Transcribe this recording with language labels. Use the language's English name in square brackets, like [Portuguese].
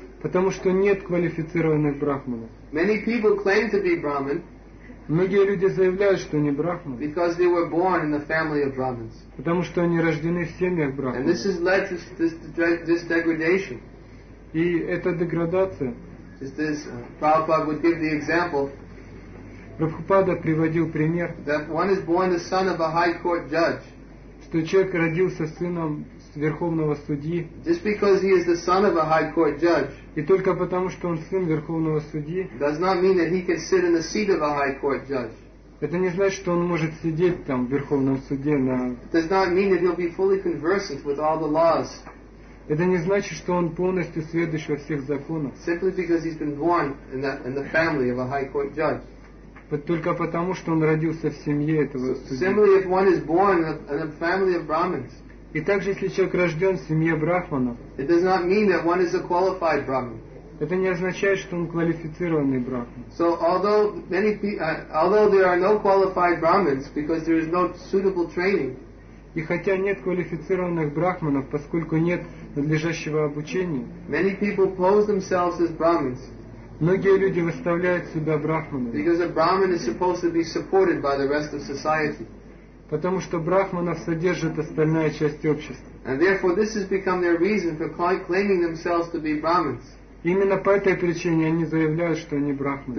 [Russian] Потому что нет квалифицированных брахманов. [English] Many people claim to be brahmin. [Russian] Многие люди заявляют, что они брахманы. [English] Because they were born in the family of brahmins. [Russian] Потому что они рождены в семьях брахманов. [English] And this has led to this degradation. [Russian] И эта деградация. [English] Prabhupada would give the example. [Russian] Прабхупада приводил пример. [English] That one is born the son of a high court judge. [Russian] Что человек родился сыном верховного судьи. [English] Just because he is the son of a high court judge. [Russian] И только потому, что он сын верховного судьи. [English] Does not mean that he can sit in the seat of a high court judge. [Russian] Это не значит, что он может сидеть там в верховном суде на. [English] It does not mean that he'll be fully conversant with all the laws. [Russian] Это не значит, что он полностью сведущ во всех законах. [English] Simply because he's been born in the family of a high court judge. [Russian] Только потому, что он родился в семье этого судьи. [English] Similarly, if one is born in a family of brahmins. [Russian] И также, если человек рожден в семье брахманов. [English] It does not mean that one is a qualified brahmin. [Russian] Это не означает, что он квалифицированный брахман. [English] So although there are no qualified brahmins because there is no suitable training. [Russian] И хотя нет квалифицированных брахманов, поскольку нет надлежащего обучения, [English] many people pose themselves as brahmins. [Russian] Многие люди выставляют себя брахманами. [English] Because a brahmin is supposed to be supported by the rest of society. [Russian] Потому что брахманов содержит остальная часть общества. [English] And therefore this has become their reason for claiming themselves to be brahmins. [Russian] Именно по этой причине они заявляют, что они брахманы.